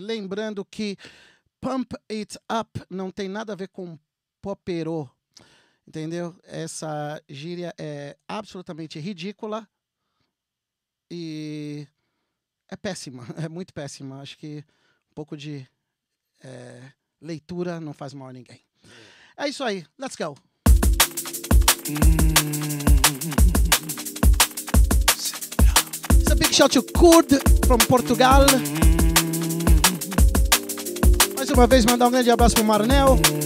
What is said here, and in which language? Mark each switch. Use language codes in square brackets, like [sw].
[pt] Lembrando que Pump It Up não tem nada a ver com popero, entendeu? Essa gíria é absolutamente ridícula e é péssima, é muito péssima. Acho que um pouco de leitura não faz mal a ninguém. É isso aí, [en] let's go! It's a big shout to Kurd from Portugal. [pt] Mais uma vez, mandar um grande abraço pro Marnel.